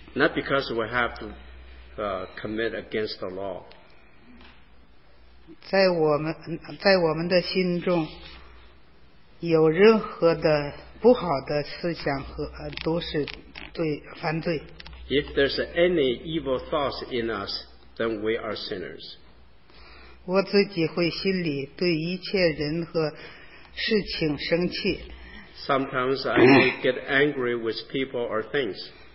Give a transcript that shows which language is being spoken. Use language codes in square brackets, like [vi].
[en] Not because we have to commit against the law. [zh] 在我们的心中有任何的不好的思想和都是对犯罪。 [en] If there's any evil thoughts in us, then we are sinners. [zh] 我自己会心里对一切人和事情生气。 [en] Sometimes I get angry with people or things.